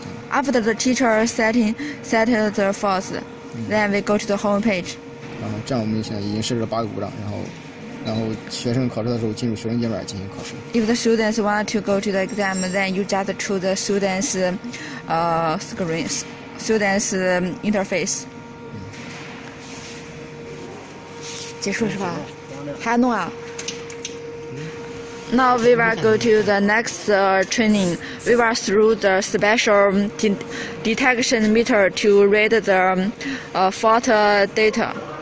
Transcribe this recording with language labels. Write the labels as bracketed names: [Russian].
[English] After the teacher set the faults, then we go to the home page. [Chinese] 然后这样，我们现在已经设置了八个故障，然后学生考试的时候进入学生界面进行考试。 [English] If the students want to go to the exam, then you just choose the students, screens, students interface. [Chinese] 结束是吧？还要弄啊？ [English] Now we will go to the next training. We will through the special detection meter to read the fault data.